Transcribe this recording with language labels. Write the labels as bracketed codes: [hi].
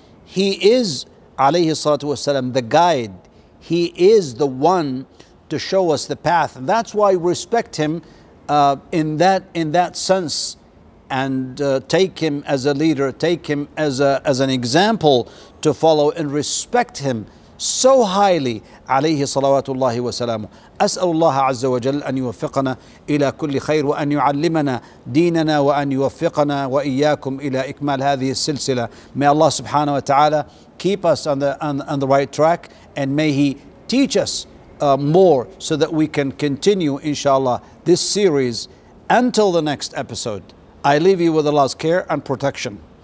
[en] He is, [ar] alayhi salatu wa sallam, [en] the guide. He is the one to show us the path. And that's why we respect him in that sense, and take him as a leader, take him as an example to follow, and respect him so highly, [ar] alayhi salawatullahi wa salamu. أسأل الله عز وجل أن يوفقنا إلى كل خير وأن يعلمنا ديننا وأن يوفقنا وإياكم إلى إكمال هذه السلسلة. [en] May Allah subhanahu wa ta'ala keep us on the right track, and may He teach us more so that we can continue, inshallah, this series until the next episode. I leave you with Allah's care and protection.